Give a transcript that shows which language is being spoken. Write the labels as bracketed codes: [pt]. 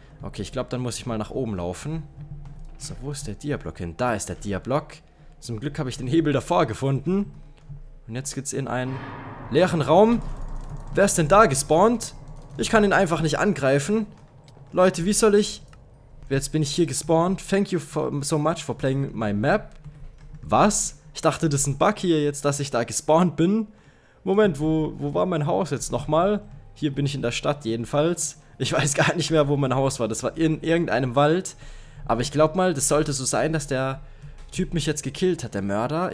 [de] Okay, ich glaube, dann muss ich mal nach oben laufen. So, wo ist der Diablock hin? Da ist der Diablock. Zum Glück habe ich den Hebel davor gefunden. Und jetzt geht's in einen leeren Raum. Wer ist denn da gespawnt? Ich kann ihn einfach nicht angreifen. Leute, wie soll ich... Jetzt bin ich hier gespawnt. [en] Thank you so much for playing my map. [de] Was? Ich dachte, das ist ein Bug hier jetzt, dass ich da gespawnt bin. Moment, wo war mein Haus jetzt nochmal? Hier bin ich in der Stadt jedenfalls. Ich weiß gar nicht mehr, wo mein Haus war. Das war in irgendeinem Wald. Aber ich glaube mal, das sollte so sein, dass der Typ mich jetzt gekillt hat, der Mörder.